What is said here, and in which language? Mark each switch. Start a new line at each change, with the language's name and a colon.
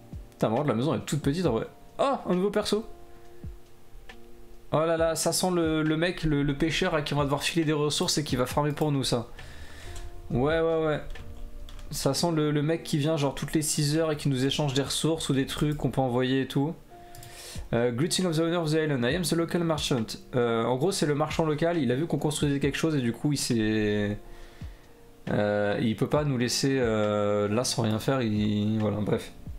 French: Putain, mort, la maison est toute petite en vrai. Oh, un nouveau perso. Oh là là, ça sent le mec, le pêcheur à qui on va devoir filer des ressources et qui va farmer pour nous ça. Ouais. Ça sent le mec qui vient genre toutes les 6 heures et qui nous échange des ressources ou des trucs qu'on peut envoyer et tout.
English: Greeting of the owner of the island, I am the local merchant.
French: En gros, c'est le marchand local, il a vu qu'on construisait quelque chose et du coup, il s'est... il peut pas nous laisser là sans rien faire, il... Voilà, bref.